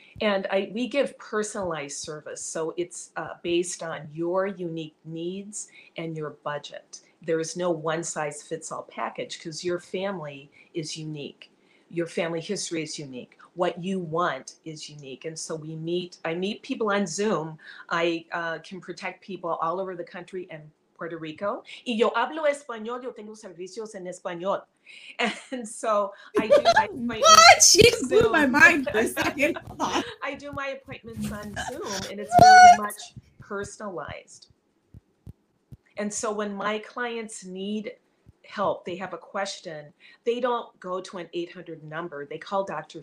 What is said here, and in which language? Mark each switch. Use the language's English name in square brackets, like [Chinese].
[English] And we give personalized service. So it's based on your unique needs and your budget. There is no one size fits all package because your family is unique. Your family history is unique. What you want is unique. And so I meet people on Zoom. I can protect people all over the country and Puerto Rico, [Spanish] y yo hablo español, yo tengo servicios en español. [English] And so I do my appointments. What? She blew my mind for a second. I do my appointments on Zoom and it's very much personalized. And so when my clients need help, they have a question, they don't go to an 800 number. They call Dr.